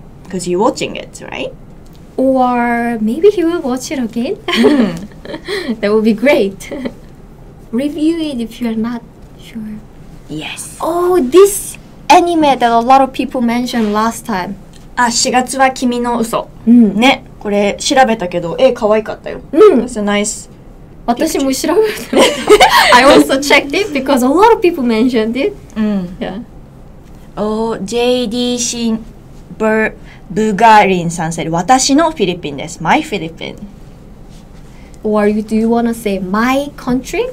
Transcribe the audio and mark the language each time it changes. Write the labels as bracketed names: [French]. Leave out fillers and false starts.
[English] Because you're watching it, right? Or maybe he will watch it again. 、 mm. That would be great. Review it if you're not sure. Yes. Oh, this. Anime that a lot of people mentioned last time. [Japanese] Ah, 4月は君の嘘。うん。ね、これ調べたけど、絵可愛かったよ。うん。 [English] It's a nice picture. [Japanese] 私も調べた。 [English] I also checked it because a lot of people mentioned it. [Japanese] うん。 [English] Yeah. Oh, JD Shin Bugarin さん said, [Japanese] 私のフィリピンです。 [English] My Philippine. or you, do you want to say my country?